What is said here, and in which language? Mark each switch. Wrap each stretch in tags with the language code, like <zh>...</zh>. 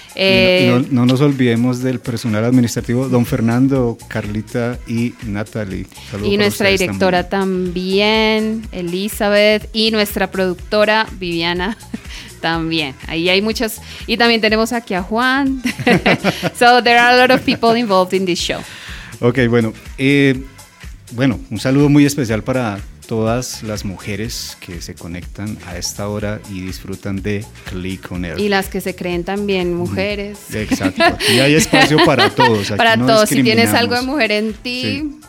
<es>No nos olvidemos del personal administrativo, don Fernando, Carlita y Natalie. Saludos y nuestra directora también, Elizabeth, y nuestra productora, Viviana, también. Ahí hay muchos, y también tenemos aquí a Juan.</es> <en>So there are a lot of people involved in this show.</en> <es>Ok, bueno, bueno, un saludo muy especial para todas las mujeres que se conectan a esta hora y disfrutan de Clic on Air. Y las que se creen también mujeres. Exacto, aquí hay espacio para todos. Aquí para no todos, si tienes algo de mujer en ti, sí.</es>